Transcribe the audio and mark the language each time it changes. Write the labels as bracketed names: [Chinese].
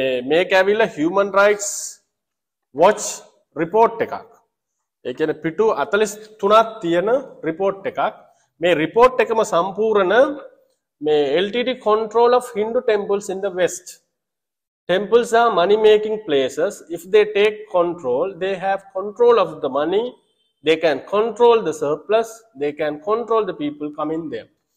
[Sinhala] මේක ඇවිල්ලා Human Rights Watch report එකක්. ඒ කියන්නේ පිටු 43ක් තියෙන report එකක්. මේ report එකම සම්පූර්ණ මේ [English] LTT control of Hindu temples in the West. Temples are money-making places. If they take control, they have control of the money. They can control the surplus. They can control the people coming there.